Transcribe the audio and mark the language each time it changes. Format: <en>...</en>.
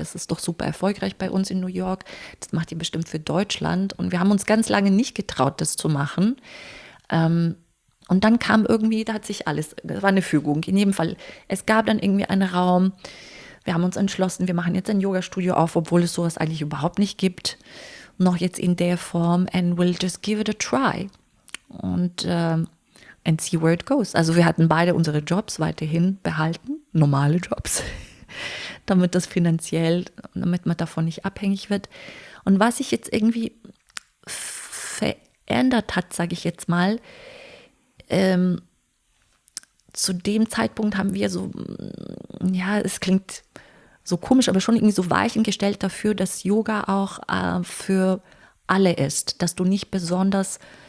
<de>Das ist doch super erfolgreich bei uns in New York. Das macht ihr bestimmt für Deutschland. Und wir haben uns ganz lange nicht getraut, das zu machen. Und dann kam irgendwie, da hat sich alles, das war eine Fügung. In jedem Fall, es gab dann irgendwie einen Raum. Wir haben uns entschlossen, wir machen jetzt ein Yoga-Studio auf, obwohl es sowas eigentlich überhaupt nicht gibt. Noch jetzt in der Form.</de> <en>And we'll just give it a try.</en> <de>Und</de> <en>and see where it goes.</en> <de>Also wir hatten beide unsere Jobs weiterhin behalten, normale Jobs, damit das finanziell, damit man davon nicht abhängig wird. Und was sich jetzt irgendwie verändert hat, sage ich jetzt mal, zu dem Zeitpunkt haben wir so, ja, es klingt so komisch, aber schon irgendwie so Weichen gestellt dafür, dass Yoga auch für alle ist, dass du nicht besonders</de>